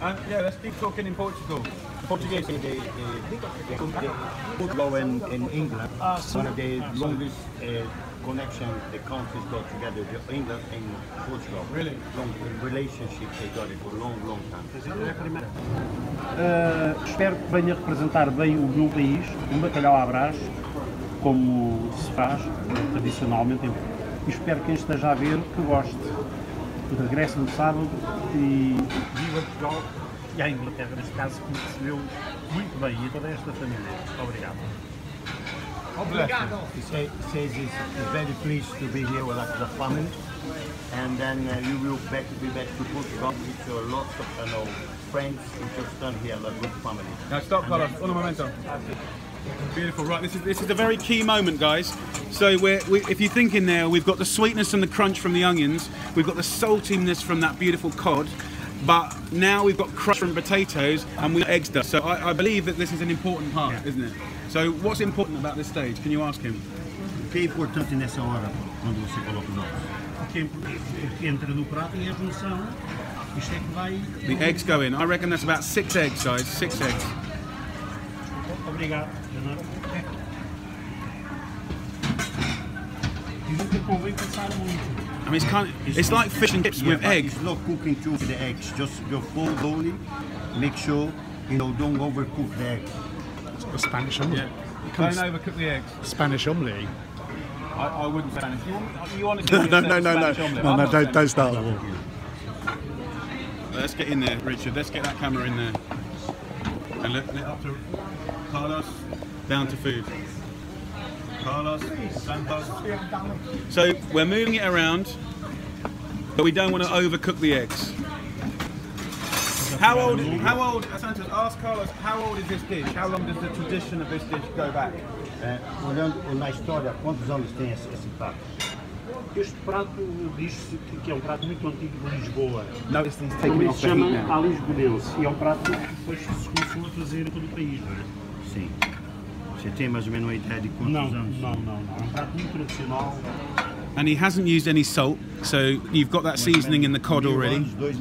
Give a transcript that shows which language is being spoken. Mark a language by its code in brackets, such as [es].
[en] Yeah, let's be talking in Portugal. Portuguese. Portugal and England, one of the longest connection the countries got together, the England and Portugal. Really? Long relationship they got it for a long, long time. [pt] Espero que venha representar bem o meu país, um bacalhau à brás, como se faz tradicionalmente em Portugal. E espero que quem esteja a ver, que goste. Regresso no sábado e... Viva Portugal e a Inglaterra, neste caso, que me recebeu muito bem e a toda esta família. Obrigado. Obrigado. [en] He says he's very pleased to be here with the family. And then you will be back to Portugal with your lots of friends and just done here, a good family. Now stop, Carlos. [es] Un momento. [en] Beautiful, right, this is a very key moment, guys. So if you think in there, we've got the sweetness and the crunch from the onions, we've got the saltiness from that beautiful cod, but now we've got crust from potatoes and we've got eggs dust. So I believe that this is an important part, yeah. Isn't it? So what's important about this stage? Can you ask him? [pt] O que é importante nessa hora, quando você coloca os ovos? O que entra no prato é a junção. Isto é que vai... [en] The eggs go in. I reckon that's about six eggs, guys, six eggs. I mean, it's like fish and chips with eggs. It's not cooking too the eggs, just your full body. Make sure, don't overcook the eggs. A Spanish omelette. Yeah. Don't overcook the eggs. Spanish omelette. I wouldn't say Spanish. No, don't start at all. Let's get in there, Richard. Let's get that camera in there. And let up to Carlos, down to food. Carlos, Santos. So we're moving it around, but we don't want to overcook the eggs. How old, Santos, ask Carlos, how old is this dish? How long does the tradition of this dish go back? [pt] Olhando na história, quantos anos tem esse prato? Este prato diz-se que é prato muito antigo de Lisboa. Não, ele se chama a Lisbonense. E é prato que depois se começou a fazer em todo o país, não é? Sim. Você tem mais ou menos uma ideia de quantos anos? Não. É prato muito tradicional. [en] And he hasn't used any salt, so you've got that seasoning in the cod already.